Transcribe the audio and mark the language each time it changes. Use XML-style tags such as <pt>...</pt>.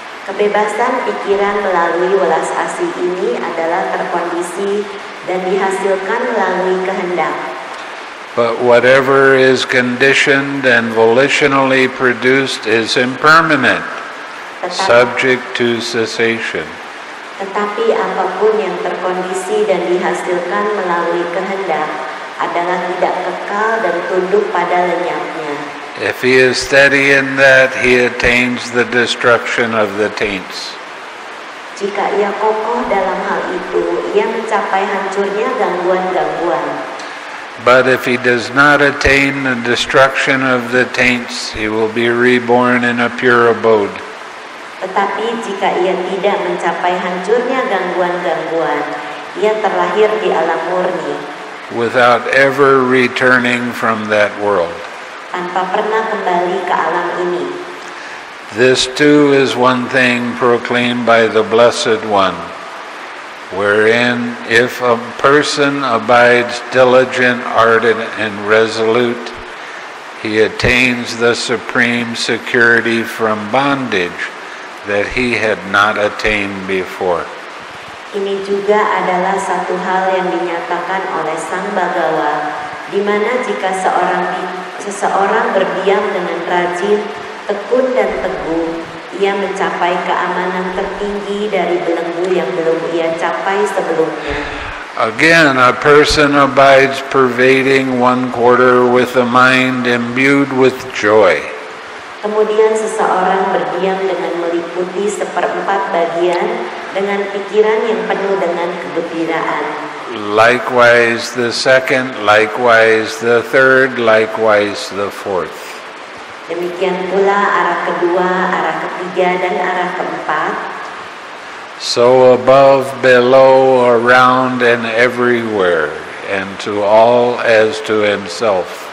<id>Kebebasan pikiran melalui welas asih ini adalah terkondisi dan dihasilkan melalui kehendak.</id> <en>But whatever is conditioned and volitionally produced is impermanent.</en> <id>Tetapi,</id> <en>subject to cessation.</en> <id>Tetapi apapun yang terkondisi dan dihasilkan melalui kehendak adalah tidak kekal dan tunduk pada lenyapnya.</id> <en>If he is steady in that, he attains the destruction of the taints.</en> <id>Jika ia kokoh dalam hal itu, ia mencapai hancurnya gangguan-gangguan.</id> <en>But if he does not attain the destruction of the taints, he will be reborn in a pure abode.</en> <id>Tetapi jika ia tidak mencapai hancurnya gangguan-gangguan, ia terlahir di alam murni.</id> <en>Without ever returning from that world.</en> <id>Tanpa pernah kembali ke alam ini.</id> <en>This too is one thing proclaimed by the Blessed One, wherein if a person abides diligent, ardent, and resolute, he attains the supreme security from bondage that he had not attained before.</en> <id>Ini juga adalah satu hal yang dinyatakan oleh Sang Bhagawa, di mana jika seseorang berdiam dengan rajin, tekun dan teguh, ia mencapai keamanan tertinggi dari belenggu yang belum ia capai sebelumnya.</id> <en>Again, a person abides pervading one quarter with a mind imbued with joy.</en> <id>Kemudian seseorang berdiam dengan meliputi seperempat bagian dengan pikiran yang penuh dengan kegembiraan.</id> <en>Likewise the second, likewise the third, likewise the fourth.</en> <id>Demikian pula arah kedua, arah ketiga, dan arah keempat.</id> <en>So above, below, around, and everywhere, and to all as to himself.</en>